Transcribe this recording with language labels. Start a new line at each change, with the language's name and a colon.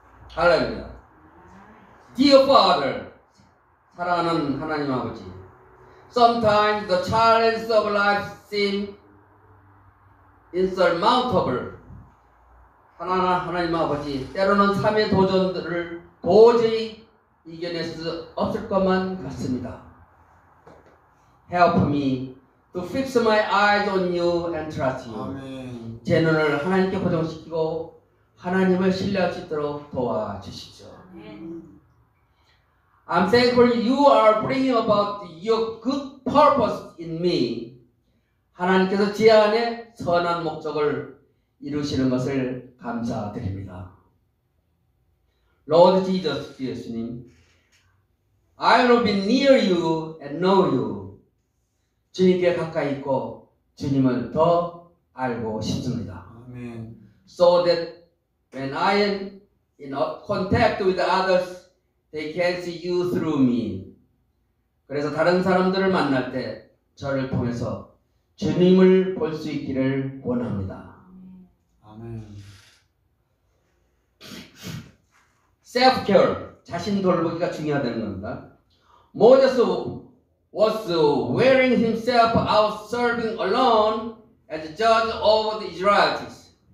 English: 할렐루야. Dear Father,
Korean: 사랑하는 하나님 아버지,
English: Sometimes the challenges of life seem insurmountable.
Korean: 사랑하는 하나님 아버지, 때로는 삶의 도전들을 도저히 이겨낼 수 없을 것만 같습니다.
English: Help me to fix my eyes on you and trust you.
Korean: 아멘. 제 눈을 하나님께 고정시키고 하나님을 신뢰할 수 있도록 도와주시죠. 아멘.
English: I'm thankful you are bringing about your good purpose in me.
Korean: 하나님께서 제 안에 선한 목적을 이루시는 것을 감사드립니다.
English: Lord Jesus, 예수님, I will be near you and know you.
Korean: 주님께 가까이 있고 주님을 더 알고 싶습니다. 아멘.
English: So that when I am in contact with others, they can see you through me.
Korean: 그래서 다른 사람들을 만날 때 저를 통해서 주님을 볼 수 있기를 원합니다. 아멘.
English: Self-care,
Korean: 자신 돌보기가 중요하다는 겁니다.
English: Moses was wearing himself out serving alone as judge of the Israelites.